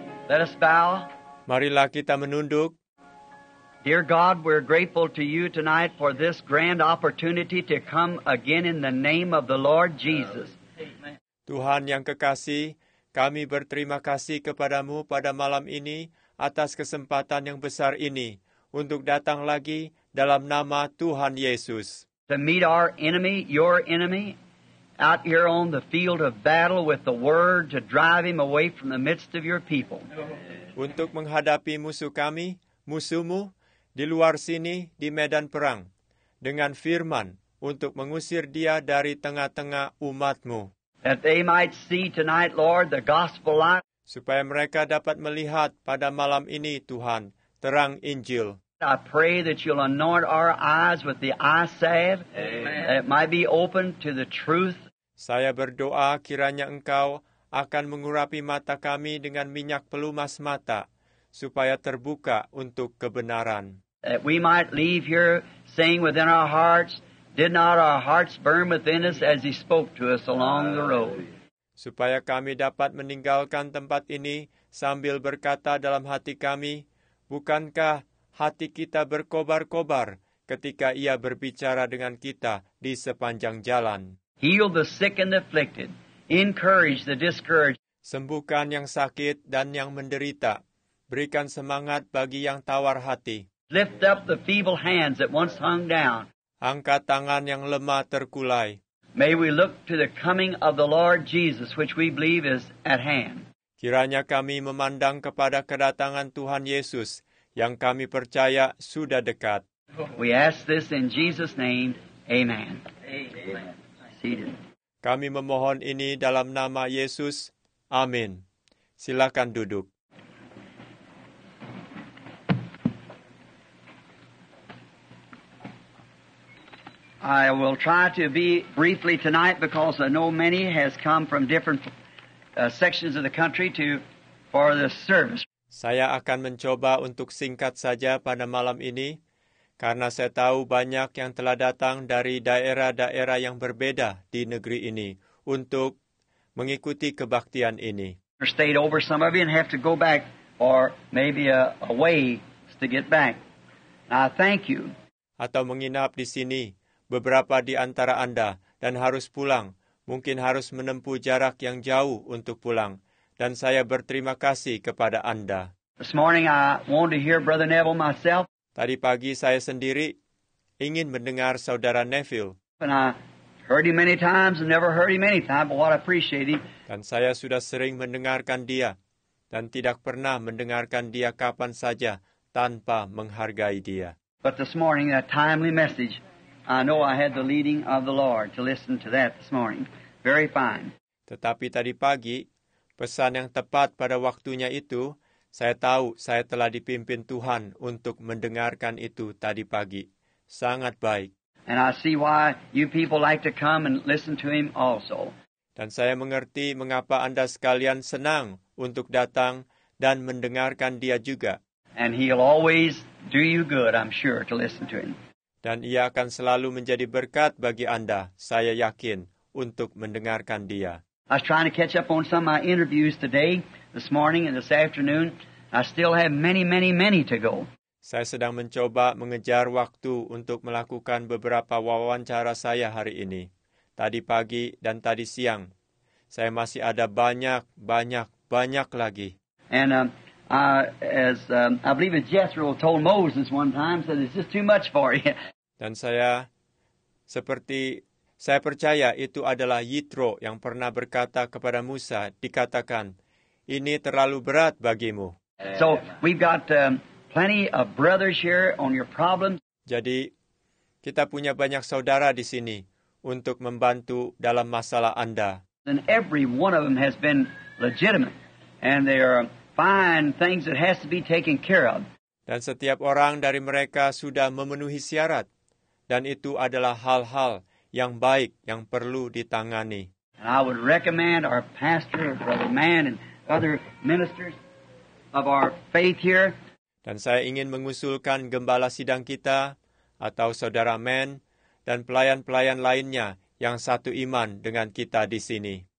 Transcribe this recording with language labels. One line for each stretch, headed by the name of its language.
English: Let us bow.
Indonesian: Marilah kita menunduk.
English: Dear God, we're grateful to you tonight for this grand opportunity to come again in the name of the Lord Jesus.
Indonesian: Tuhan yang kekasih, kami berterima kasih kepadamu pada malam ini atas kesempatan yang besar ini untuk datang lagi dalam nama Tuhan Yesus.
English: To meet our enemy, your enemy, out here on the field of battle with the word to drive him away from the midst of your people.
Indonesian: Untuk menghadapi musuh kami, musuhmu, di luar sini, di medan perang, dengan firman untuk mengusir dia dari tengah-tengah umatmu.
English: That they might see tonight, Lord, the gospel light.
Indonesian: Supaya mereka dapat melihat pada malam ini, Tuhan, terang Injil.
English: I pray that you'll anoint our eyes with the eye salve, that it might be open to the truth.
Indonesian: Saya berdoa kiranya Engkau akan mengurapi mata kami dengan minyak pelumas mata, supaya terbuka untuk kebenaran.
English: That we might leave here saying within our hearts, did not our hearts burn within us as he spoke to us along the road.
Indonesian: Supaya kami dapat meninggalkan tempat ini sambil berkata dalam hati kami, bukankah hati kita berkobar-kobar ketika ia berbicara dengan kita di sepanjang jalan.
English: Heal the sick and the afflicted. Encourage the discouraged.
Indonesian: Sembuhkan yang sakit dan yang menderita. Berikan semangat bagi yang tawar hati.
English: Lift up the feeble hands that once hung down.
Indonesian: Angkat tangan yang lemah terkulai.
English: May we look to the coming of the Lord Jesus, which we believe is at hand.
Indonesian: Kiranya kami memandang kepada kedatangan Tuhan Yesus, yang kami percaya sudah dekat.
English: We ask this in Jesus' name. Amen. Amen. Seated.
Indonesian: Kami memohon ini dalam nama Yesus. Amin. Silakan duduk.
English: I will try to be briefly tonight because I know many has come from different sections of the country to for the service.
Indonesian: Saya akan mencoba untuk singkat saja pada malam ini, karena saya tahu banyak yang telah datang dari daerah-daerah yang berbeda di negeri ini untuk mengikuti kebaktian ini.
English: Stayed over some of you and have to go back or maybe a way to get back. Now, thank you.
Indonesian: Atau menginap di sini beberapa di antara Anda dan harus pulang, mungkin harus menempuh jarak yang jauh untuk pulang. Dan saya berterima kasih kepada Anda.
English: This morning I want to hear Brother Neville myself.
Indonesian: Tadi pagi saya sendiri ingin mendengar Saudara Neville.
English: And I heard him many times and never heard him any time, but what I appreciate it.
Indonesian: Dan saya sudah sering mendengarkan dia dan tidak pernah mendengarkan dia kapan saja tanpa menghargai dia.
English: But this morning that timely message, I know I had the leading of the Lord to listen to that this morning. Very fine.
Indonesian: Tetapi tadi pagi pesan yang tepat pada waktunya itu, saya tahu saya telah dipimpin Tuhan untuk mendengarkan itu tadi pagi. Sangat baik.
English: And I see why you people like to come and listen to him also.
Indonesian: Dan saya mengerti mengapa Anda sekalian senang untuk datang dan mendengarkan dia juga.
English: And he'll always do you good, I'm sure, to listen to him.
Indonesian: Dan ia akan selalu menjadi berkat bagi Anda, saya yakin, untuk mendengarkan dia.
English: I was trying to catch up on some of my interviews today, this morning, and this afternoon. I still have many, many, many to go.
Indonesian: Saya sedang mencoba mengejar waktu untuk melakukan beberapa wawancara saya hari ini, tadi pagi dan tadi siang. Saya masih ada banyak, banyak, banyak lagi.
English: And I believe it Jethro told Moses one time, said it's just too much for you.
Indonesian: Dan saya seperti Saya percaya itu adalah Yitro yang pernah berkata kepada Musa, dikatakan, ini terlalu berat bagimu.
English: So we've got plenty of brothers here on your problems.
Indonesian: Jadi kita punya banyak saudara di sini untuk membantu dalam masalah Anda.
English: And every one of them has been legitimate, and they are fine things that has to be taken care of.
Indonesian: Dan setiap orang dari mereka sudah memenuhi syarat, dan itu adalah hal-hal yang baik yang perlu ditangani.
English: And I would recommend our pastor, Brother Mann, and other ministers of our faith here.
Indonesian: Dan saya ingin mengusulkan gembala sidang kita atau saudara Mann dan pelayan-pelayan lainnya yang satu iman dengan kita di sini.